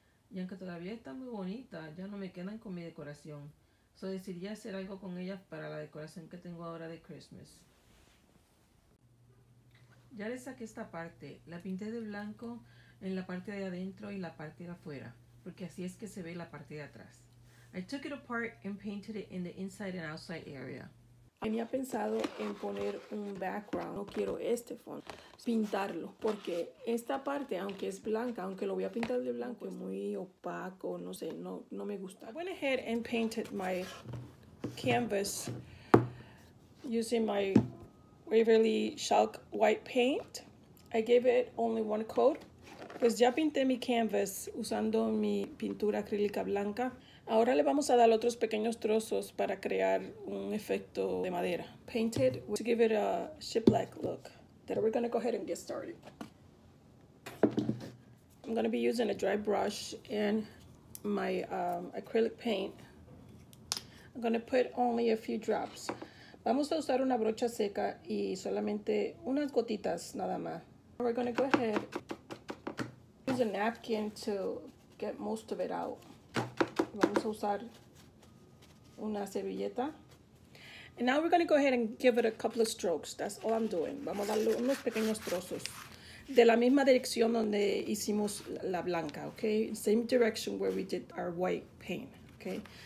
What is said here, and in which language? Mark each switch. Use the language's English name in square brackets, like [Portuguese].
[Spanish] Y aunque todavía están muy bonitas, ya no me quedan con mi decoración. So decidí hacer algo con ellas para la decoración que tengo ahora de Christmas. Ya les saqué esta parte. La pinté de blanco en la parte de adentro y la parte de afuera. Porque así es que se ve la parte de atrás. [English] I took it apart and painted it in the inside and outside area. [Spanish] Tenía pensado en poner un background, no quiero este fondo, pintarlo, porque esta parte, aunque es blanca, aunque lo voy a pintar de blanco, es muy opaco, no sé, no me gusta. [English] I went ahead and painted my canvas using my Waverly Shulk white paint. I gave it only one coat, [Spanish] pues ya pinté mi canvas usando mi pintura acrílica blanca. Ahora le vamos a dar otros pequeños trozos para crear un efecto de madera. [English] Painted to give it a shiplap look. Then we're gonna go ahead and get started. I'm gonna be using a dry brush and my acrylic paint. I'm gonna put only a few drops. [Spanish] Vamos a usar una brocha seca y solamente unas gotitas nada más. [English] We're gonna go ahead, use a napkin to get most of it out. [Spanish] Vamos a usar una servilleta. [English] And now we're going to go ahead and give it a couple of strokes. That's all I'm doing. [Spanish] Vamos a darle unos pequeños trozos. De la misma dirección donde hicimos la blanca, okay? [English] Same direction where we did our white paint, okay?